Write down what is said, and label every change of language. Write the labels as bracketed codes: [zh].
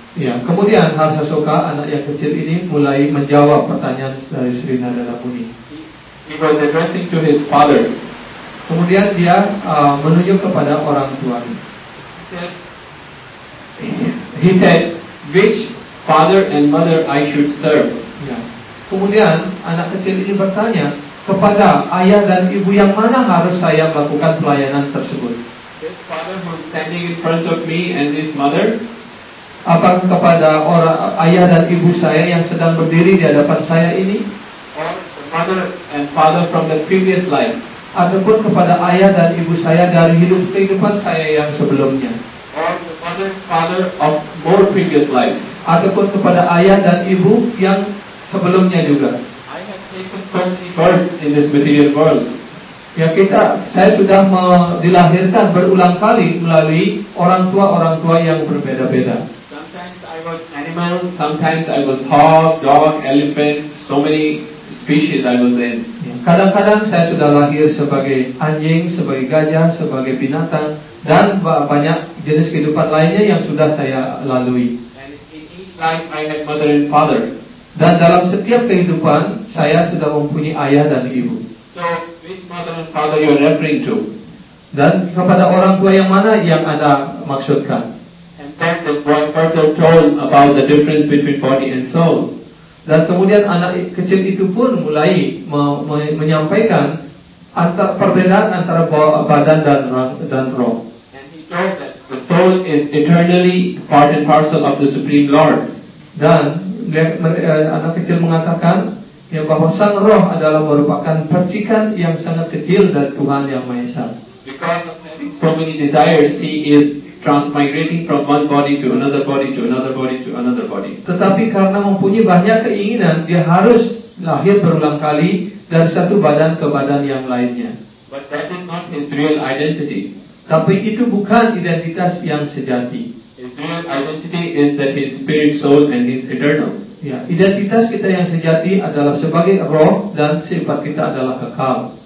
[id] Ya, kemudian Harshashoka, anak yang kecil ini, mulai menjawab pertanyaan dari Sri Narada Muni. [en] He was addressing to his father. [id] Kemudian dia menuju kepada orang tuanya. [en] He said, "Which father and mother I should serve?" [id] Ya. Kemudian anak kecil ini bertanya, "Kepada ayah dan ibu yang mana harus saya melakukan pelayanan tersebut?" [en] "This father who is standing in front of me and this mother?" [id] "Apa kepada orang ayah dan ibu saya yang sedang berdiri di hadapan saya ini?" [en] "Or the mother and father from the previous life?" [id] "Ataupun kepada ayah dan ibu saya dari kehidupan saya yang sebelumnya?" [en] "Or the mother and father of more previous lives?" [id] "Ataupun kepada ayah dan ibu yang sebelumnya juga?" [en] "I have birth in this material world. [id] Ya kita, saya sudah dilahirkan berulang kali melalui orang tua yang berbeda-beda. [en] Sometimes I was animal, sometimes I was hog, dog, elephant, so many species I was in. [id] Kadang-kadang saya sudah lahir sebagai anjing, sebagai gajah, sebagai binatang, dan banyak jenis kehidupan lainnya yang sudah saya lalui. [en] And in each life I had mother and father. [id] Dan dalam setiap kehidupan saya sudah mempunyai ayah dan ibu. [en] So, which mother and father you are referring to? [id] Dan kepada orang tua yang mana yang Anda maksudkan? [en] And then the boy further told about the difference between body and soul. [id] Dan kemudian anak kecil itu pun mulai menyampaikan antara perbedaan antara badan dan roh. [en] And he told that the soul is eternally part and parcel of the Supreme Lord. [id] Dan anak kecil mengatakan ya bahwa sang roh adalah merupakan percikan yang sangat kecil dari Tuhan Yang Maha Esa. [en] Because of so many desires, he is transmigrating from one body to another body to another body to another body. [id] Tetapi karena mempunyai banyak keinginan, dia harus lahir berulang kali dari satu badan ke badan yang lainnya. [en] But that is not his real identity. [id] Tapi itu bukan identitas yang sejati. [en] His real identity is that his spirit, soul, and his eternal. [id] Ya, identitas kita yang sejati adalah sebagai roh dan sifat kita adalah kekal.